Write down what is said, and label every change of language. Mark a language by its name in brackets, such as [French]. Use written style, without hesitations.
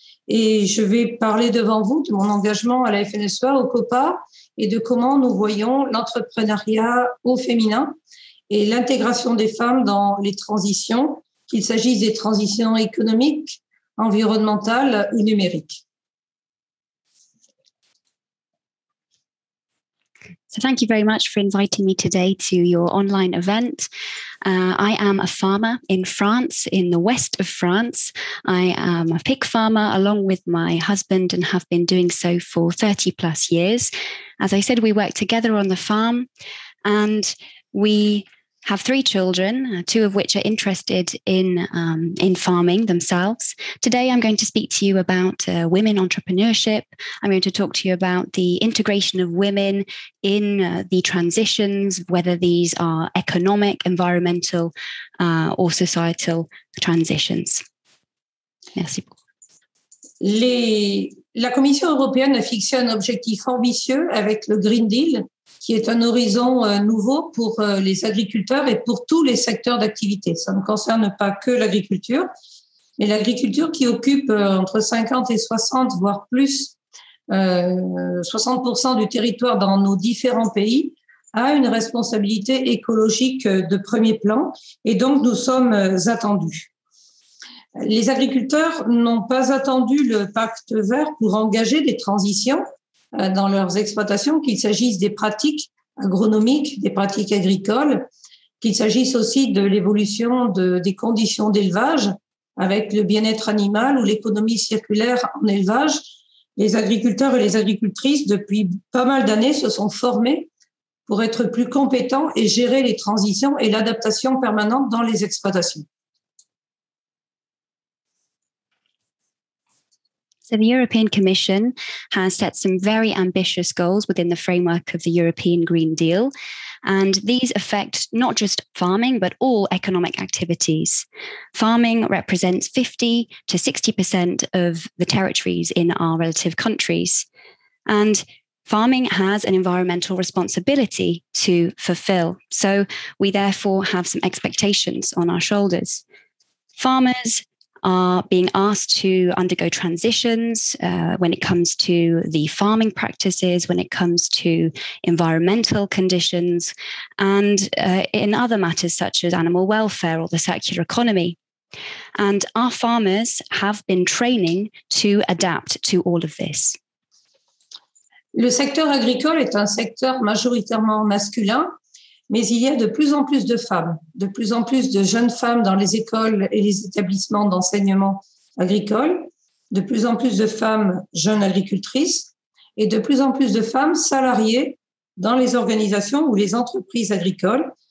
[French] Et je vais parler devant vous de mon engagement à la FNSEA, au COPA, et de comment nous voyons l'entrepreneuriat au féminin et l'intégration des femmes dans les transitions, qu'il s'agisse des transitions économiques, environnementales ou numériques. [English] So thank you very much for inviting me today to your online event. I am a farmer in France, in the west of France. I am a pig farmer along with my husband and have been doing so for 30 plus years. As I said, we work together on the farm and we have three children, two of which are interested in farming themselves. Today, I'm going to speak to you about women entrepreneurship. I'm going to talk to you about the integration of women in the transitions, whether these are economic, environmental, or societal transitions. [French] Merci beaucoup. La Commission européenne a fixé un objectif ambitieux avec le Green Deal, qui est un horizon nouveau pour les agriculteurs et pour tous les secteurs d'activité. Ça ne concerne pas que l'agriculture, mais l'agriculture qui occupe entre 50 et 60, voire plus, 60% du territoire dans nos différents pays, a une responsabilité écologique de premier plan, et donc nous sommes attendus. Les agriculteurs n'ont pas attendu le pacte vert pour engager des transitions dans leurs exploitations, qu'il s'agisse des pratiques agronomiques, des pratiques agricoles, qu'il s'agisse aussi de l'évolution des conditions d'élevage avec le bien-être animal ou l'économie circulaire en élevage. Les agriculteurs et les agricultrices, depuis pas mal d'années, se sont formés pour être plus compétents et gérer les transitions et l'adaptation permanente dans les exploitations. [English] So the European Commission has set some very ambitious goals within the framework of the European Green Deal, and these affect not just farming, but all economic activities. Farming represents 50 to 60% of the territories in our relative countries, and farming has an environmental responsibility to fulfill. So we therefore have some expectations on our shoulders. Farmers are being asked to undergo transitions when it comes to the farming practices, when it comes to environmental conditions, and in other matters such as animal welfare or the circular economy. And our farmers have been training to adapt to all of this. [French] Le secteur agricole est un secteur majoritairement masculin, mais il y a de plus en plus de femmes, de plus en plus de jeunes femmes dans les écoles et les établissements d'enseignement agricole, de plus en plus de femmes jeunes agricultrices et de plus en plus de femmes salariées dans les organisations ou les entreprises agricoles.